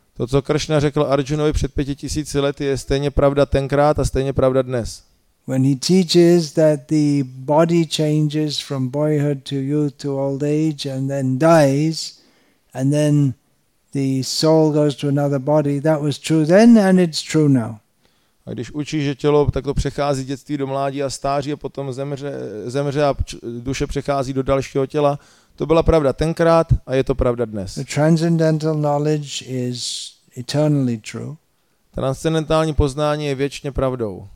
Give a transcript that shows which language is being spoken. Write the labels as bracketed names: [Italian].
[Czech] To, co Krishna řekl Arjunovi před 5000 lety, je stejně pravda tenkrát a stejně pravda dnes. [English] When he teaches that the body changes from boyhood to youth to old age and then dies and then the soul goes to another body, that was true then and it's true now. [Czech] A když učí, že tělo takto přechází dětství do mládí a stáří a potom zemře a duše přechází do dalšího těla, to byla pravda tenkrát a je to pravda dnes. [English] The transcendental knowledge is eternally true. Transcendentální poznání je věčně pravdou.